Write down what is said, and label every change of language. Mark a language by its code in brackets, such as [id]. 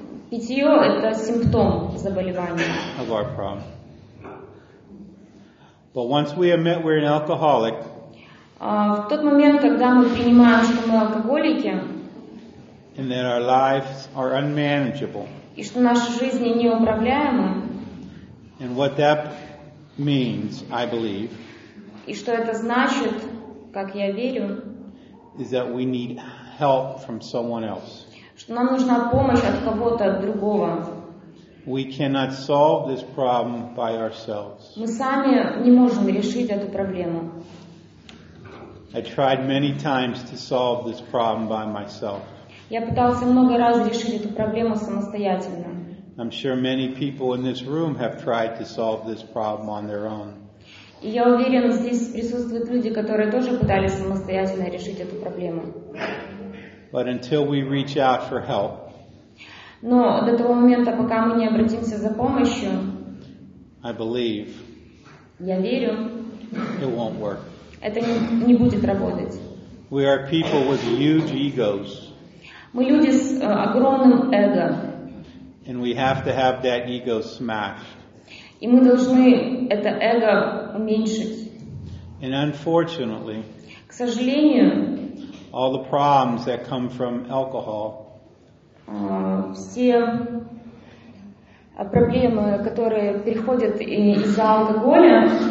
[ru] Питье – это симптом заболевания. [en] Of our problem. But once we admit we're an alcoholic, [ru] в тот момент, когда мы принимаем, что мы алкоголики, [en] and that our lives are unmanageable, [ru] и что наши жизни неуправляемы, [en] and what that means, I believe, [ru] и что это значит, как я верю, [en] is that we need help from someone else. [ru] Что нам нужна помощь от кого-то другого. [en] We cannot solve this problem by ourselves. [ru] Мы сами не можем решить эту проблему. [en] I tried many times to solve this problem by myself. [ru] Я пытался много раз решить эту проблему самостоятельно. [en] I'm sure many people in this room have tried to solve this problem on their own. [ru] И я уверен, здесь присутствуют люди, которые тоже пытались самостоятельно решить эту проблему. [en] But until we reach out for help, [ru] но до того момента, пока мы не обратимся за помощью, [en] I believe, [ru] я верю, [en] it won't work. [ru] Это не будет работать. [en] We are people with huge egos. [ru] Мы люди с огромным эго. [en] And we have to have that ego smashed. [ru] И мы должны это эго уменьшить. [en] And unfortunately, [ru] к сожалению, [en] all the problems that come from alcohol, [ru] все проблемы, которые приходят из-за алкоголя,